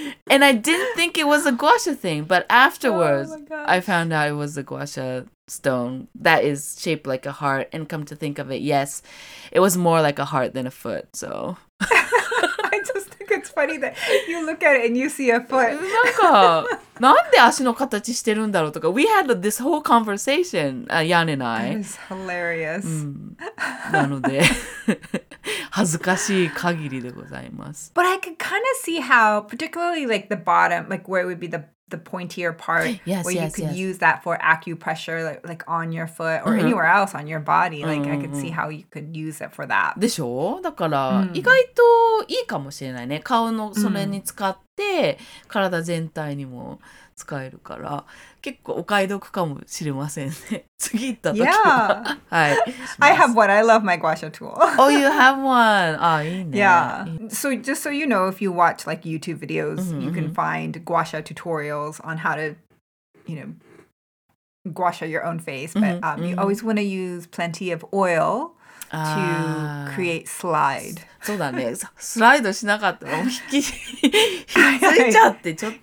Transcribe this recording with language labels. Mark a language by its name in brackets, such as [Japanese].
[English] And I didn't think it was a gua sha thing, but afterwards, I found out it was a gua sha stone that is shaped like a heart. And come to think of it, yes, it was more like a heart than a foot, so... It's funny that you look at it and you see a foot. [Japanese] なんか、なんで足の形してるんだろうとか。 [English] We had this whole conversation, Yan and I. That is hilarious. [Japanese] なので、恥ずかしい限りでございます。 [English] But I could kind of see how, particularly like the bottom, like where it would be the pointier part, where you could use that for acupressure, like on your foot or anywhere else on your body. Like, I could see how you could use it for that. [Japanese] でしょ? だから、意外といいかもしれないね。顔のそれに使って、体全体にも使えるから、結構お買い得かもしれませんね。次行った時は。 [English] Yeah. [Japanese] はい。 [English] I have one. I love my gua sha tool. Oh, you have one. [Japanese] あ、いいね。 [English] Yeah. So just so you know, if you watch like YouTube videos, you can find gua sha tutorials on how to, you know, gua sha your own face, but mm-hmm, mm-hmm. you always want to use plenty of oil to create slide. [Japanese] そうだね。スライドしなかったら、もう引きついちゃって、ちょっと。